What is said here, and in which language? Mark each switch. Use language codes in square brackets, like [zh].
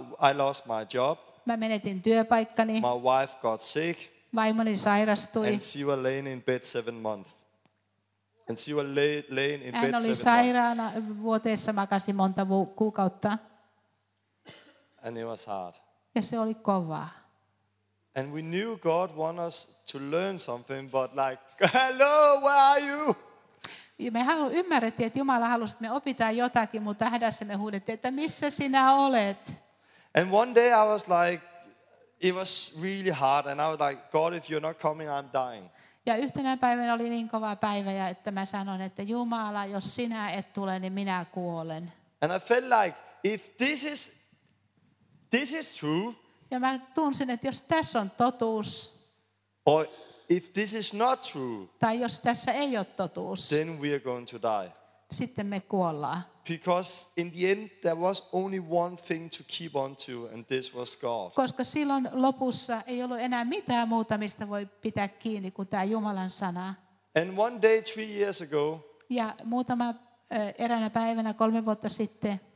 [en] I lost my job. [fi] Mä menetin työpaikkani. [en] My wife got sick. [fi] Vaimoni sairastui. [en] And she was laying in bed 7 months. And she was laying in bed 7 months. [fi] Hän oli sairaana vuoteessa, makasi monta kuukautta. [en] And it was hard. [fi] Ja se oli kovaa. [en] And we knew God wanted us to learn something, but like, hello, where are you? [fi] Ja me ymmärrettiin, että Jumala halusi, että me opitaan jotakin, mutta hädässä me huudettiin, että missä sinä olet? [en] And one day I was like, it was really hard, and I was like, God, if you're not coming, I'm dying. [fi] Ja yhtenä päivänä oli niin kova päivä, ja että mä sanoin, että Jumala, jos sinä et tule, niin minä kuolen. [en] And I felt like, if this is true. [fi] Ja mä tunsin, että jos tässä on totuus. [en] Or if this is not true. [fi] Tai jos tässä ei ole totuus. [en] Then we are going to die. [fi] Sitten me kuollaan. [en] Because in the end there was only one thing to keep on to, and this was God. [fi] Koska silloin lopussa ei ollut enää mitään muuta, mistä voi pitää kiinni kuin tämä Jumalan sana. [en] And one day 3 years ago. [fi] Ja muutama eräänä päivänä 3 vuotta sitten.